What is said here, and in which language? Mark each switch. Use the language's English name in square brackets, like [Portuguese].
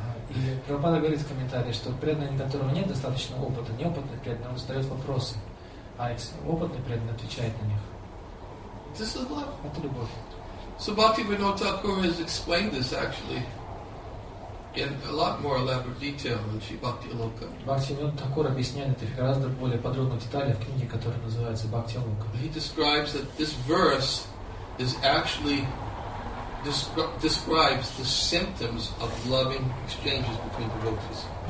[Russian] И Прабхупада говорит в комментарии, что преданный, которого нет достаточно опыта, неопытный преданный, он задает вопросы, а опытный преданный отвечает на них. [English] This is love. [Russian] Это любовь. [English] So Bhaktivinoda Thakur has explained this actually in a lot more elaborate detail in Sri Bhakti Loka. [Russian] Bhaktivinoda Thakur объясняет это в гораздо более подробных деталях в книге, которая называется Bhakti Loka. [English] He describes that this verse is actually describes the symptoms of loving exchanges between devotees.